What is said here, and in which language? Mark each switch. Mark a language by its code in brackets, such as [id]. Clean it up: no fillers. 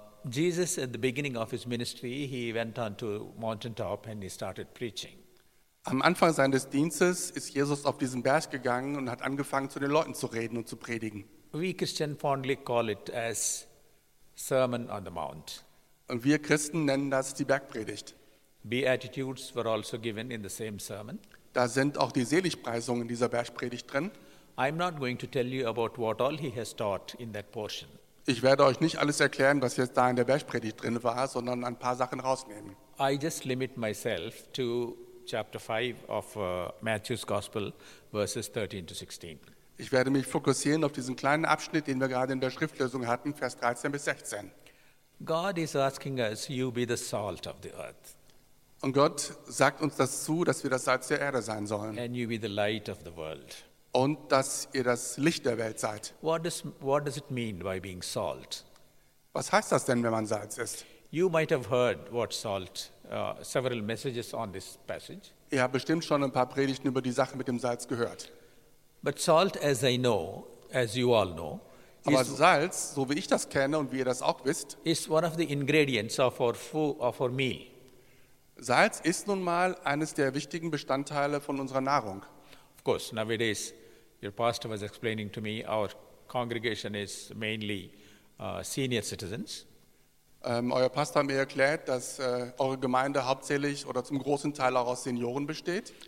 [en] Jesus at the beginning of his ministry, he went on to mountaintop and he started preaching. [de] Am Anfang seines Dienstes ist Jesus auf diesen Berg gegangen und hat angefangen, zu den Leuten zu reden und zu predigen. [en] We Christians fondly call it as Sermon on the Mount. [de] Und wir Christen nennen das die Bergpredigt. [en] Beatitudes were also given in the same sermon. [de] Da sind auch die Seligpreisungen in dieser Bergpredigt drin. [en] I'm not going to tell you about what all he has taught in that portion. [de] Ich werde euch nicht alles erklären, was jetzt da in der Bergpredigt drin war, sondern ein paar Sachen rausnehmen. [en] I just limit myself to chapter 5 of Matthew's Gospel, verses 13 to 16. [de] Ich werde mich fokussieren auf diesen kleinen Abschnitt, den wir gerade in der Schriftlesung hatten, Vers 13 bis 16. [en] God is asking us, you be the salt of the earth. [de] Und Gott sagt uns das zu, dass wir das Salz der Erde sein sollen. [en] And you be the light of the world. [de] Und dass ihr das Licht der Welt seid. [en] What does it mean by being salt? [de] Was heißt das denn, wenn man Salz ist? [en] You might have heard what salt, several messages on this passage. [de] Ihr habt bestimmt schon ein paar Predigten über die Sache mit dem Salz gehört. [en] But salt, as I know, as you all know, [de] aber Salz, so wie ich das kenne und wie ihr das auch wisst, [en] is one of the ingredients of our food, of our meal. [de] Salz ist nun mal eines der wichtigen Bestandteile von unserer Nahrung. [en] Of course, nowadays, your pastor was explaining to me, our congregation is mainly senior citizens. [de] Euer Pastor hat mir erklärt, dass eure Gemeinde hauptsächlich oder zum großen Teil auch aus Senioren besteht.